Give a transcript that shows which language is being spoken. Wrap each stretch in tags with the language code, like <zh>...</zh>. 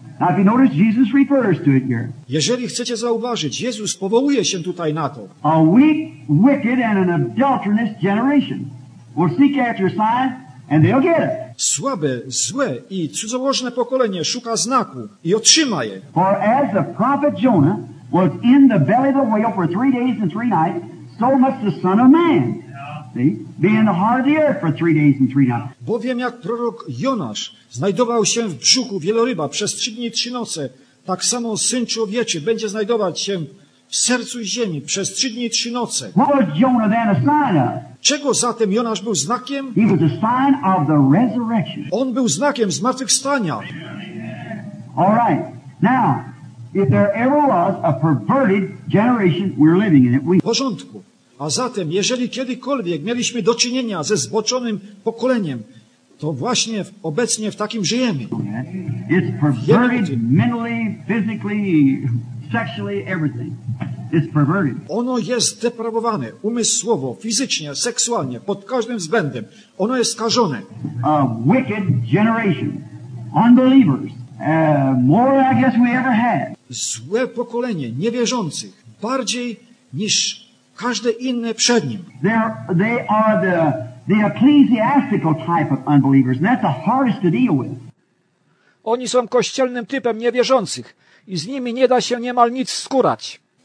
<en>Now, if you notice, Jesus refers to it here.</en> <pl>Jeżeli chcecie zauważyć, Jezus powołuje się tutaj na to.</pl> <en>A weak, wicked and an adulterous generation will seek after a sign. And they'll get it.</en> <pl>Słabe, złe i cudzołożne pokolenie szuka znaku i otrzyma je.</pl> <en>For as the prophet Jonah was in the belly of the whale for 3 days and 3 nights, so must the Son of Man be in the heart of the earth for 3 days and 3 nights.</en> <pl>Bowiem jak prorok Jonasz znajdował się w brzuchu wieloryba przez 3 dni i 3 noce, tak samo Syn Człowieczy będzie znajdować się w sercu ziemi przez 3 dni i 3 noce.</pl> <en>What was Jonah then a sign of?</en> <pl>Czego zatem Jonasz był znakiem?</pl> <en>He was a sign of the resurrection.</en> <pl>On był znakiem zmartwychwstania.</pl> <en>All right. Now, if there ever was a perverted generation, we're living in it.</en> <pl>W porządku. A zatem, jeżeli kiedykolwiek mieliśmy do czynienia ze zboczonym pokoleniem, to właśnie obecnie w takim żyjemy.</pl> <en>It's perverted mentally, physically, sexually, everything. It's perverted.</en> <pl>Ono jest deprawowane umysłowo, fizycznie, seksualnie, pod każdym względem. Ono jest skażone.</pl> <en>A wicked generation, unbelievers, more than I guess we ever had.</en> <pl>Złe pokolenie niewierzących, bardziej niż każde inne przed nim.</pl> <en>They are the ecclesiastical type of unbelievers, and that's the hardest to deal with.</en> <pl>Oni są kościelnym typem niewierzących i z nimi nie da się niemal nic skórać.</pl>